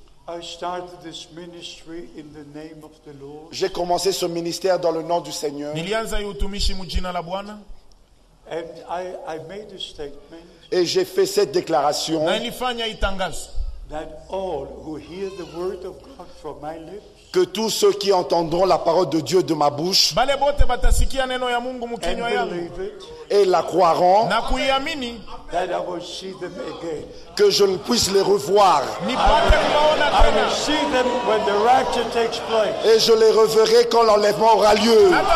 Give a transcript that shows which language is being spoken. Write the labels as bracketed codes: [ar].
[en] I started this ministry in the name of the Lord. [fr] J'ai commencé ce ministère dans le nom du Seigneur. [sw] Nilianza yutumishi mujina la Bwana. [en] And I made a statement. [fr] Et j'ai fait cette déclaration. [sw] Na nilifanya itangazo. [en] That all who hear the word of God from my lips, [fr] que tous ceux qui entendront la parole de Dieu de ma bouche, [sw] bale bote batasikia neno ya Mungu mukinywa yangu, [fr] et la croiront, [sw] na kuiamini, [en] that I will see them again, [fr] que je ne puisse les revoir, et je les reverrai quand l'enlèvement aura lieu.